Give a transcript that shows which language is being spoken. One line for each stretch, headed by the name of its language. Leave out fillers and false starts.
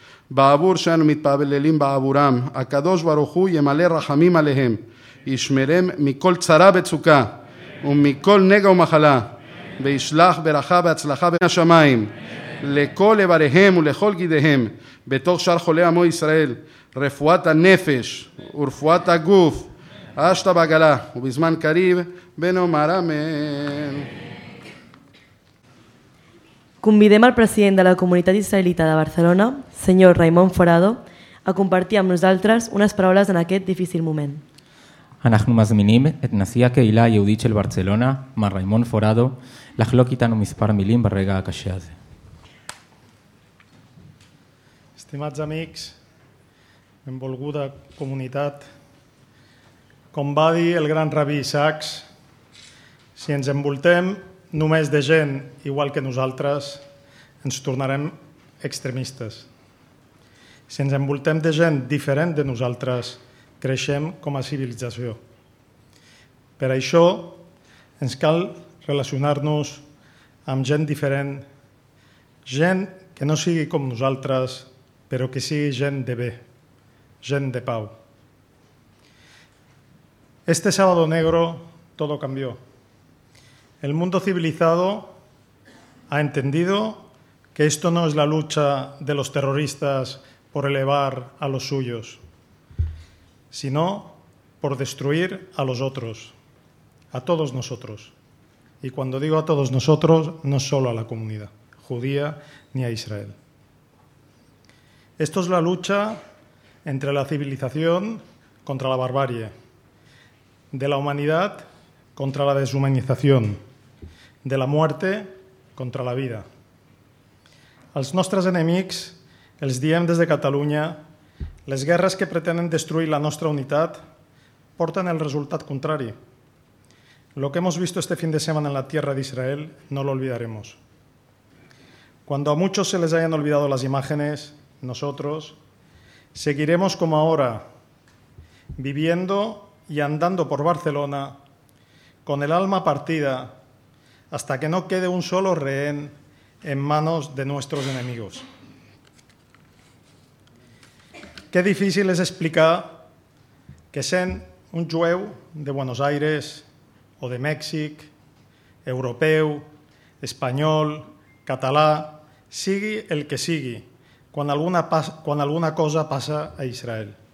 Hebrew: בעבור שאנו מתפללים בעבורם, הקדוש ברוך הוא ימלא רחמים עליהם, ישמרם מכל צרה וצוקה ומכל נגע ומחלה, וישלח ברכה והצלחה בין השמיים לכל אבריהם ולכל גידיהם, בתוך שאר חולי עמו ישראל, רפואת הנפש ורפואת הגוף, אשתא בעגלא ובזמן קריב, ונאמר אמן.
Catalan: Convidem al president de la comunitat israelita de Barcelona, senyor Raimon Forado, a compartir amb nosaltres unes paraules en aquest difícil moment.
Hebrew: אנחנו מזמינים את נשיא הקהילה היהודית של ברצלונה, מר ריימון פורדו, לחלוק איתנו מספר מילים ברגע הקשה הזה.
Catalan: Estimats amics, benvolguda comunitat, com va dir el gran rabí Isaacs, si ens envoltem només de gent igual que nosaltres, ens tornarem extremistes. Si ens envoltem de gent diferent de nosaltres, creixem com a civilització. Per això ens cal relacionar-nos amb gent diferent, gent que no sigui com nosaltres, però que sigui gent de bé, gent de pau.
Spanish: Este sábado negro todo cambió. El mundo civilizado ha entendido que esto no es la lucha de los terroristas por elevar a los suyos, sino por destruir a los otros, a todos nosotros. Y cuando digo a todos nosotros, no solo a la comunidad judía ni a Israel. Esto es la lucha entre la civilización contra la barbarie, de la humanidad contra la deshumanización, de la muerte contra la vida.
Catalan: Als nostres enemics els diem des de Catalunya, les guerres que pretenen destruir la nostra unitat porten el resultat contrari.
Spanish: Lo que hemos visto este fin de semana en la tierra de Israel no lo olvidaremos. Cuando a muchos se les hayan olvidado las imágenes, nosotros seguiremos como ahora, viviendo y andando por Barcelona con el alma partida hasta que no quede un solo rehén en manos de nuestros enemigos. Qué difícil es explicar
Catalan: que sent un jueu de Buenos Aires o de Mèxic, europeu, espanyol, català, sigui el que sigui, quan alguna cosa passa a Israel.